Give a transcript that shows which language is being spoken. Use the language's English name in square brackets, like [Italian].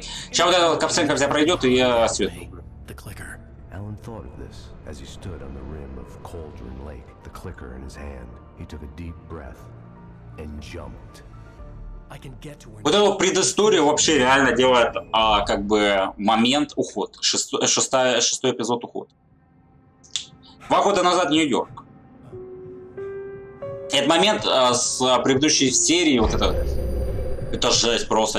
[Russian] Сейчас вот эта капсенка вся пройдет, и я свет включу. [English] Alan thought of this as he stood on the rim of Cauldron Lake, the clicker in his hand. He took a deep breath and jumped. [Russian] Вот эта предыстория вообще реально делает как бы момент уход. Шестой эпизод уход. 2 года назад Нью-Йорк. Этот момент с предыдущей серии, вот это жесть просто.